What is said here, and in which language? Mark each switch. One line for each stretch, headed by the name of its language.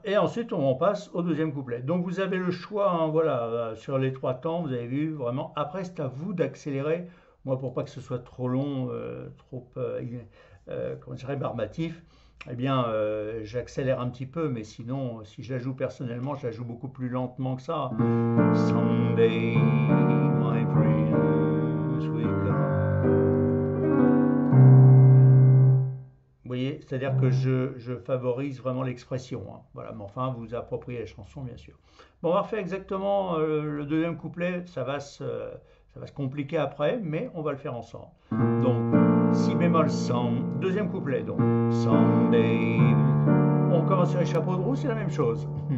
French: Et ensuite, on en passe au deuxième couplet. Donc, vous avez le choix, hein, voilà, sur les trois temps, vous avez vu, vraiment. Après, c'est à vous d'accélérer, moi, pour pas que ce soit trop long, comment dire, rébarbatif. Eh bien, j'accélère un petit peu, mais sinon, si je la joue personnellement, je la joue beaucoup plus lentement que ça.
English: Someday, my friends will come.
French: Vous voyez, c'est-à-dire que je favorise vraiment l'expression. Hein. Voilà, mais enfin, vous appropriez la chanson, bien sûr. Bon, on va refaire exactement le deuxième couplet, ça va se compliquer après, mais on va le faire ensemble. Donc, si bémol, sans, deuxième couplet, donc, someday, on commence sur les chapeaux de roue, c'est la même chose.